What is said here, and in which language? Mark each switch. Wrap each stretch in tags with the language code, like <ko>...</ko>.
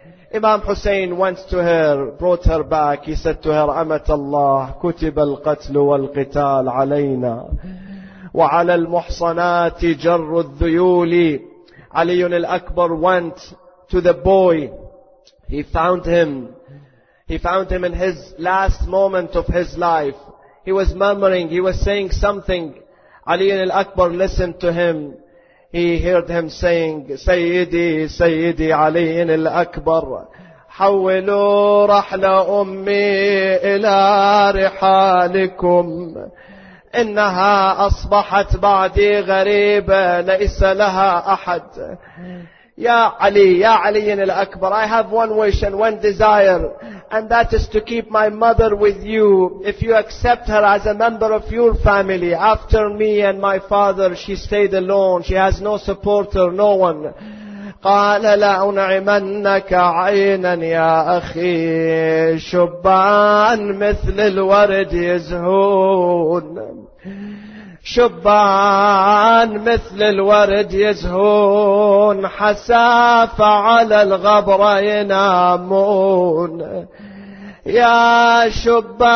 <en>Imam Hussein went to her, brought her back. He said to her,</en> <ar>أمة الله كتب القتل والقتال علينا وعلى المحصنات جر الذيول.</ar> <en>Ali al-Akbar went to the boy. He found him. He found him in his last moment of his life. He was murmuring. He was saying something. Ali al-Akbar listened to him. He heard him saying,</en> <ar>Sayyidi, Sayyidi Ali al-Akbar, حولوا رحل أمي إلى رحالكم. إنها أصبحت بعدي غريبة ليس لها أحد. يا علي, يا علي الأكبر,</ar> <en>I have one wish and one desire, and that is to keep my mother with you. If you accept her as a member of your family, after me and my father, she stayed alone. She has no supporter, no one.</en> <ar>قال لأنعمنك عينا يا أخي شبان مثل الورد يزهون شبان مثل الورد يزهون حساف على الغبر ينامون يا شبان</ar>